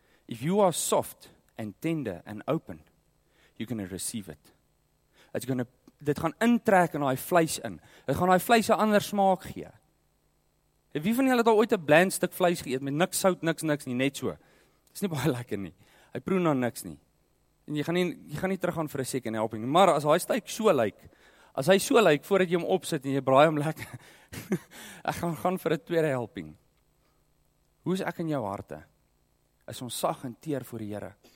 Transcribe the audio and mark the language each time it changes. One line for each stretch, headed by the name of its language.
English: If you are soft and tender and open, you're going to receive it.
Afrikaans: Dit gaan intrek in daai vleis in. Dit gaan daai vleis 'n ander smaak gee. En wie van julle het al ooit 'n bland stuk vleis geëet met niks sout, niks nie, net so? Dis nie baie lekker nie. Hy proe na niks nie. En jy gaan nie teruggaan vir 'n
English: second helping
Afrikaans: nie. Maar as hy steak so lyk, as hy so lyk voordat jy hom opsit en jy braai hom lekker, ek gaan vir 'n tweede helping. Hoe is ek in jou harte? Is ons sag en teer voor die Here?